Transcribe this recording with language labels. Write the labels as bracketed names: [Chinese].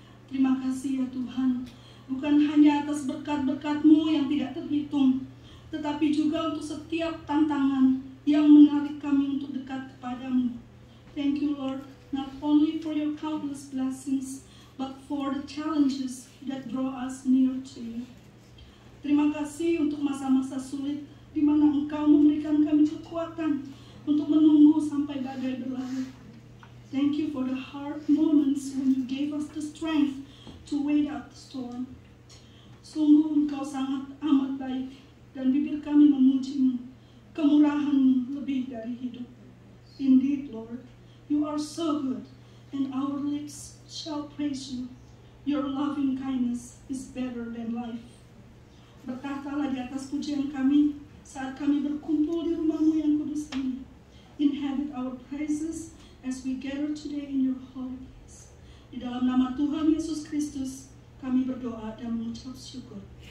[Indonesian] Terima kasih ya Tuhan, bukan hanya atas berkat-berkat-Mu yang tidak terhitung, tetapi juga untuk setiap tantangan yang menarik kami untuk dekat kepada-Mu. [English] Thank you, Lord, not only for your countless blessings, but for the challenges that draw us near to you. [Indonesian] Terima kasih untuk masa-masa sulit di mana Engkau memberikan kami kekuatan untuk menunggu sampai badai berlalu. [English] Thank you for the hard moments when you gave us the strength to wait out the storm. [Indonesian] Sungguh Engkau sangat amat baik dan bibir kami memuji-Mu. Kemurahan-Mu lebih dari hidup. [English] Indeed, Lord, you are so good and our lips shall praise you. Your loving kindness is better than life. [Indonesian] Bertahtalah di atas pujian kami saat kami berkumpul di rumah-Mu yang kudus ini. [English] Inhabit our praises as we gather today in your holy place. [Indonesian] Di dalam nama Tuhan Yesus Kristus, kami berdoa dan mengucap syukur.